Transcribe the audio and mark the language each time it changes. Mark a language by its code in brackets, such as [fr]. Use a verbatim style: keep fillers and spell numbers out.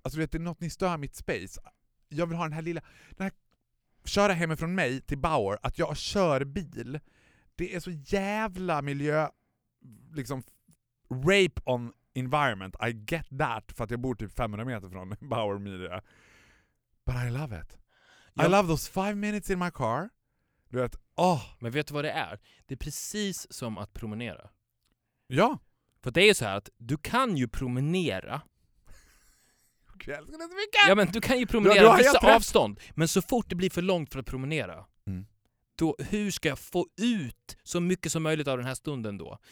[sv] Alltså du vet, det är något ni stör mitt space. Jag vill ha den här lilla... Den här köra hemifrån mig till Bauer, att jag kör bil. Det är så jävla miljö, liksom [en] rape on environment. I get that, [sv] för att jag bor typ femhundra meter från Bauer miljö. [en] But I love it. Jag... I love those five minutes in my car. [sv] Du vet, åh. Men vet du vad det är? Det är precis som att promenera. Ja. För det är ju så här att du kan ju promenera. Jag älskar det så mycket. Ja, men du kan ju promenera då, då vissa avstånd. Men så fort det blir för långt för att promenera, mm. då, hur ska jag få ut så mycket som möjligt av den här stunden då?